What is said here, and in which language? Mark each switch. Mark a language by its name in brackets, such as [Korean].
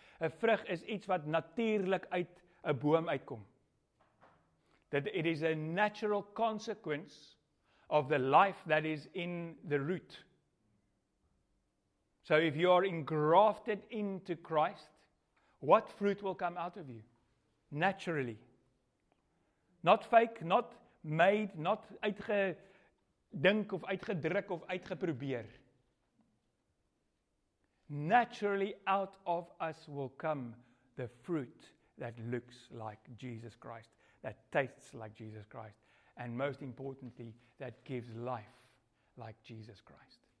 [Afrikaans] 'N vrug is iets wat natuurlik uit 'n boom uitkom. [English] That it is a natural consequence of the life that is in the root. So if you are engrafted into Christ, what fruit will come out of you? Naturally. Not fake, not made, not [Afrikaans] uitgedink of uitgedruk of uitgeprobeer. [English] Naturally out of us will come the fruit that looks like Jesus Christ, that tastes like Jesus Christ, and most importantly, that gives life like Jesus Christ.